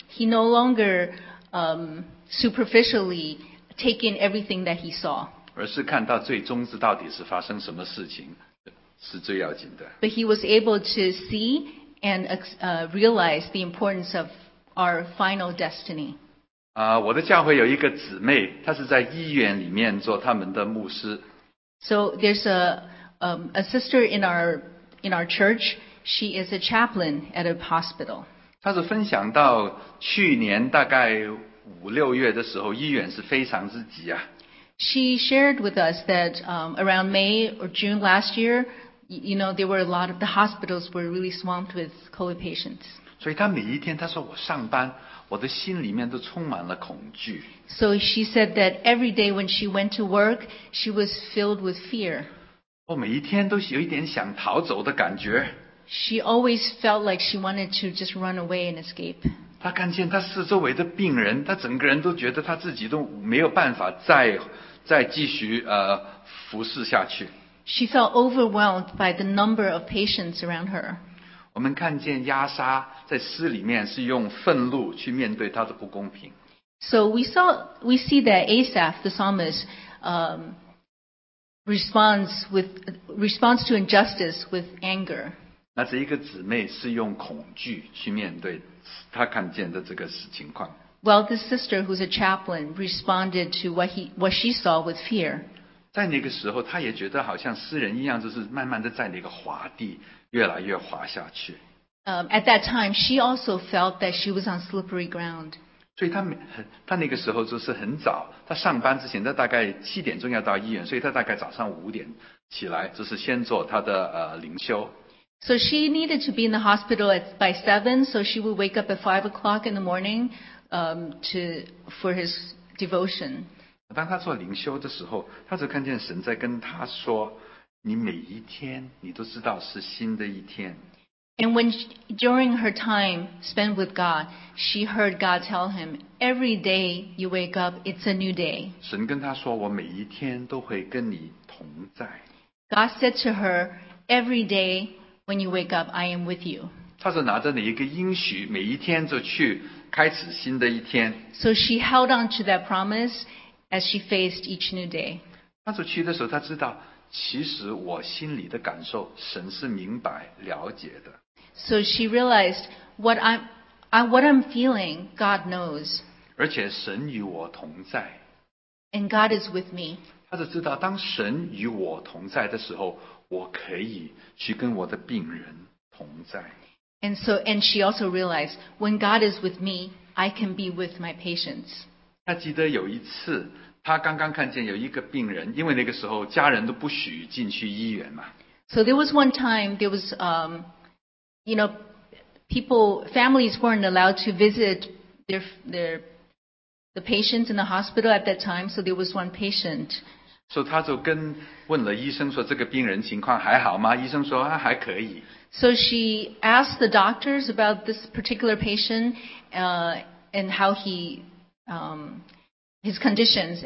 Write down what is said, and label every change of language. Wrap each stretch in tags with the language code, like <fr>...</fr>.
<en>He no longer superficially take in everything that he saw.</en> <zh>而是看到最终是到底是发生什么事情，是最要紧的。</zh> <en>But he was able to see and realize the importance of our final destiny.</en> <zh>我的教会有一个姊妹，她是在医院里面做他们的牧师。</zh> <en>So there's a sister in our church. She is a chaplain at a hospital.</en> <zh>她是分享到去年大概五六月的时候，医院是非常之急啊。</zh> <en>She shared with us that around May or June last year, you know, there were a lot of the hospitals were really swamped with COVID patients.</en> <zh>所以她每一天，她说我上班，我的心里面都充满了恐惧。</zh> <en>So she said that every day when she went to work, she was filled with fear.</en> <zh>我每一天都有一点想逃走的感觉。</zh> <en>She always felt like she wanted to just run away and escape.</en> <zh>她看见她四周围的病人，她整个人都觉得她自己都没有办法再继续服侍下去。</zh> <en>She felt overwhelmed by the number of patients around her.</en> <zh>我们看见亚撒在诗里面是用愤怒去面对他的不公平。</zh> <en>So we see that Asaph, the psalmist, responds to injustice with anger.</en> <zh>那这一个姊妹是用恐惧去面对她看见的这个情况。</zh> <en>Well, this sister who's a chaplain responded to what she saw with fear.</en> <zh>在那个时候，她也觉得好像诗人一样，就是慢慢的在那个滑地越来越滑下去。</zh> <en>At that time, she also felt that she was on slippery ground.</en> <zh>所以她那个时候就是很早，她上班之前，她大概七点钟要到医院，所以她大概早上五点起来，就是先做她的灵修。</zh> <en>So she needed to be in the hospital by 7, so she would wake up at 5 o'clock in the morning for his devotion.</en> <zh>当她做灵修的时候，她就看见神在跟她说，你每一天你都知道是新的一天。</zh> <en>And when during her time spent with God, she heard God tell him, every day you wake up, it's a new day.</en> <zh>神跟他说，我每一天都会跟你同在。</zh> <en>God said to her, every day when you wake up, I am with you.</en> <zh>他是拿着那一个应许，每一天就去开始新的一天。</zh> <en>So she held on to that promise as she faced each new day.</en> <zh>他就去的时候，他知道，其实我心里的感受，神是明白了解的。</zh> <en>So she realized what I'm feeling, God knows.</en> <zh>而且神与我同在。</zh> <en>And God is with me.</en> <zh>他就知道，当神与我同在的时候，我可以去跟我的病人同在。</zh> <en>And so, and she also realized, when God is with me, I can be with my patients.</en> <zh>她记得有一次，她刚刚看见有一个病人，因为那个时候家人都不许进去医院嘛。</zh> <en>So there was one time, there was, you know, people, families weren't allowed to visit the patients in the hospital at that time, so there was one patient.</en> <zh>So 她就跟问了医生说，这个病人情况还好吗？医生说，还可以。</zh> <en>So she asked the doctors about this particular patient and how he, his conditions.</en>